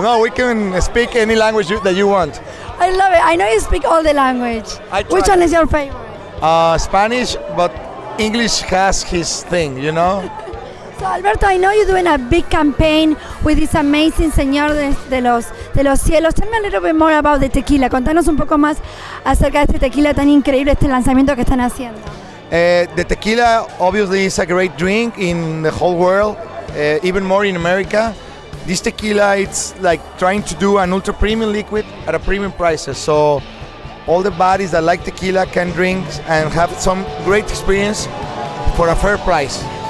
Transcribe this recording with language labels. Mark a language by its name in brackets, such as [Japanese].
[English] No, we can speak any language that you want. I love it. I know you speak all the language. Which one is your favorite? Spanish, but English has his thing, you know? So Alberto, I know you're doing a big campaign with this amazing Senor de los cielos. Tell me a little bit more about the tequila. [Spanish] Contanos un poco más acerca de este tequila tan increíble, este lanzamiento que están haciendo. [English] The tequila obviously is a great drink in the whole world, even more in America. This tequila, it's like trying to do an ultra premium liquid at a premium price. So all the bodies that like tequila can drink and have some great experience for a fair price.